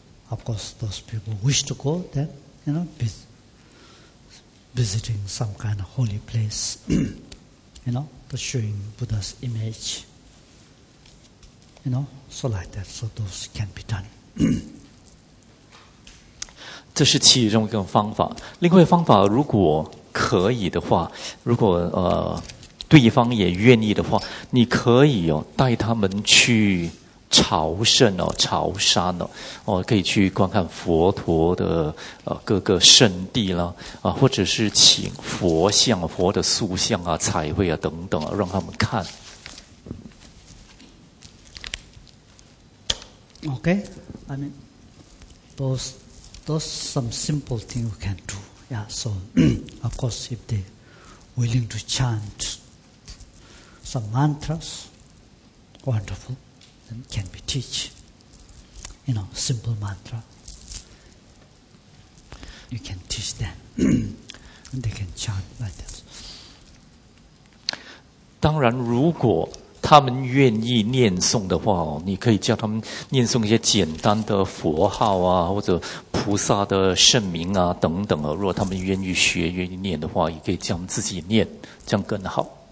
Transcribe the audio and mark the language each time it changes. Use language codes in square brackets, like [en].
[en] Of course, those people wish to go, then you know, visiting some kind of holy place, you know. Showing Buddha's image, you know, so like that, so those can be done. [zh] 这是其中一个方法。另外方法，如果可以的话，如果对方也愿意的话，你可以哦带他们去朝圣哦，朝山哦，哦可以去观看佛陀的各个圣地啦，啊，或者是请佛像、佛的塑像啊、彩绘啊等等啊，让他们看。 [en] Okay, I mean, those some simple thing you can do. Yeah, so of course if they willing to chant some mantras, wonderful. Can be teach, you know, simple mantra. You can teach them, and they can chant like that. [zh] 当然，如果他们愿意念诵的话，你可以叫他们念诵一些简单的佛号啊，或者菩萨的圣名啊等等啊。如果他们愿意学、愿意念的话，也可以叫他们自己念，这样更好。